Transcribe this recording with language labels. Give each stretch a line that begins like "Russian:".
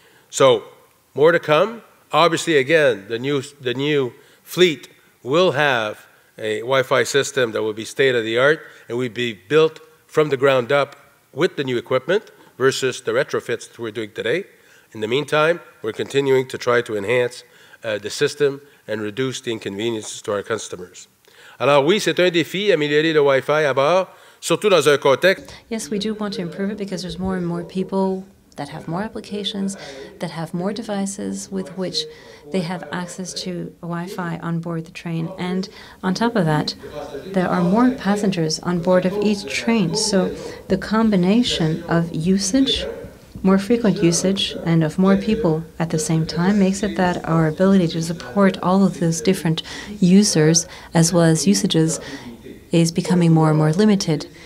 English: So more to come. Obviously, again, the new fleet will have a Wi-Fi system that will be state-of-the-art and will be built from the ground up with the new equipment versus the retrofits that we're doing today. In the meantime, we're continuing to try to enhance the system and reduce the inconveniences to our customers.
French: Alors oui, c'est un défi, améliorer le Wi-Fi à bord, surtout dans un contexte.
English: Yes, we do want to improve it because there's more and more people that have more applications, that have more devices with which they have access to Wi-Fi on board the train. And on top of that, there are more passengers on board of each train. So the combination of usage, more frequent usage, and of more people at the same time makes it that our ability to support all of those different users as well as usages is becoming more and more limited.